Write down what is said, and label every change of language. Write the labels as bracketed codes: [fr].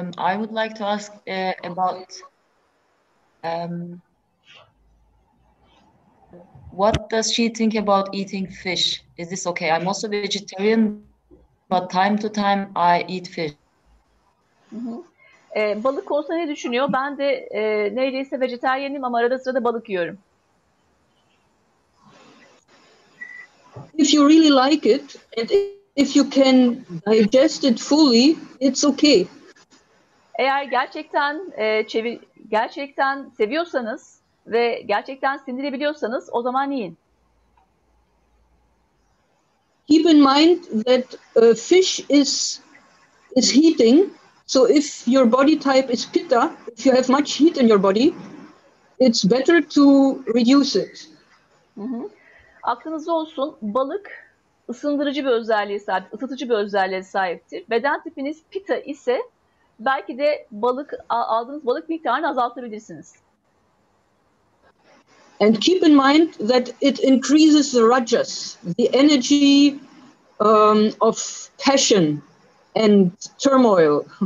[en] I would like to ask about what does she think about eating fish? Is this okay? I'm also vegetarian, but time to time I eat fish. [tr] Balık konusunda ne düşünüyor? Ben de neredeyse vejetaryenim ama arada sırada balık yiyorum. [en] If you really like it and if you can digest it fully, it's okay. [tr] Eğer gerçekten gerçekten seviyorsanız ve gerçekten sindirebiliyorsanız o zaman yiyin. [en] Keep in mind that fish is heating. So if your body type is pitta, if you have much heat in your body, it's better to reduce it. [tr] Aklınızda olsun, balık ısındırıcı bir özelliğe sahip, ısıtıcı bir özelliğe sahiptir. Beden tipiniz pitta ise belki de aldığınız balık miktarını azaltabilirsiniz. [en] And keep in mind that it increases the rajas, the energy of passion and turmoil.